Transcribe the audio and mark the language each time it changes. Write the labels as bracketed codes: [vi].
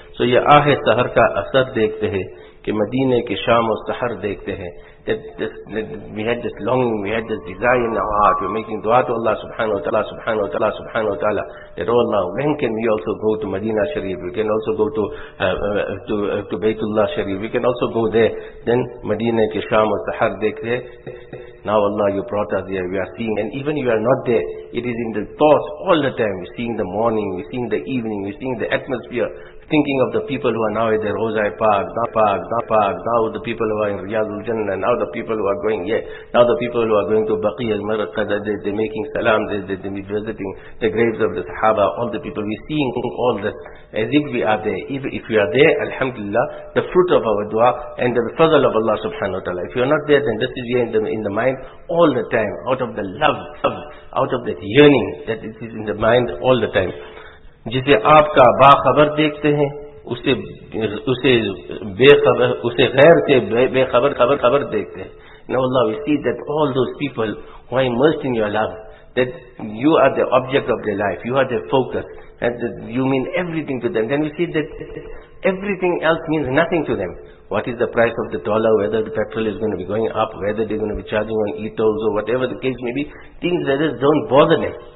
[ur] So یہ آہِ سہر کا اثر دیکھتے ہیں کہ مدینہ کے شام و سحر دیکھتے ہیں. [en] We had this longing, we had this desire in our heart. We're making dua to Allah subhanahu wa ta'ala, subhanahu wa ta'ala, subhanahu wa ta'ala, that, oh Allah, when can we also go to Madina Sharif? We can also go to Baytullah Sharif. We can also go there. Then [ur] Madina ke sham wa sahar dekhte. [en] Now Allah, you brought us here. We are seeing, and even you are not there, it is in the thoughts all the time. We're seeing the morning, we're seeing the evening, we're seeing the atmosphere. Thinking of the people who are now at the Rozai Park, Da Park, now the people who are in Riyadul Jannah, now the people who are going here, now the people who are going to Baqi al-Marqad, they're making salam, they're visiting the graves of the Sahaba, all the people, we're seeing all this, as if we are there. If we are there, Alhamdulillah, the fruit of our dua and the fadl of Allah subhanahu wa ta'ala. If you're not there, then this is here in the mind all the time, out of the love, out of that yearning that it is in the mind all the time. [ur] جسے آپ کا باخبر دیکھتے ہیں اسے غیر سے بے خبر دیکھتے ہیں. [en] Now Allah, we see that all those people who are immersed in your love, that you are the object of their life, you are their focus, and that you mean everything to them. Then we see that everything else means nothing to them. What is the price of the dollar, whether the petrol is going to be going up, whether they're going to be charging on e-tolls or whatever the case may be, things like this don't bother them.